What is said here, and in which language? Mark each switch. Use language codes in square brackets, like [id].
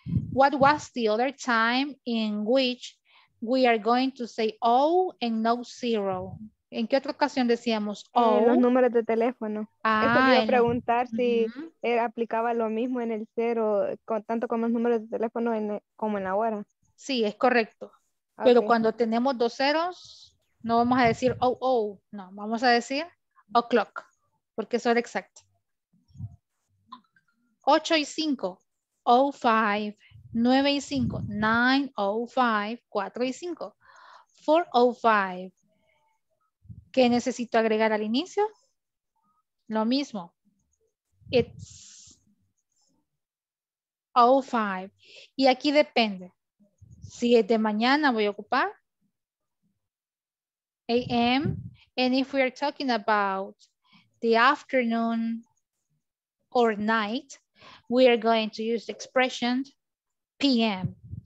[en] What was the other time in which we are going to say O and no zero? [es] ¿En qué otra ocasión decíamos O? Los números de teléfono. Ah, esto iba a preguntar si era, aplicaba lo mismo en el cero, con, tanto como los números de teléfono en, como en la hora. Sí, es correcto. Okay. Pero cuando tenemos dos ceros, no vamos a decir O, O. No, vamos a decir o'clock, porque eso era exacto. 8:05, 05, 9:05, 9:05, 4:05, 4:05. ¿Qué necesito agregar al inicio? Lo mismo. [en] It's 05. [es] Y aquí depende. Si es de mañana, voy a ocupar AM. [en] And if we are talking about the afternoon or night, we are going to use the expression PM.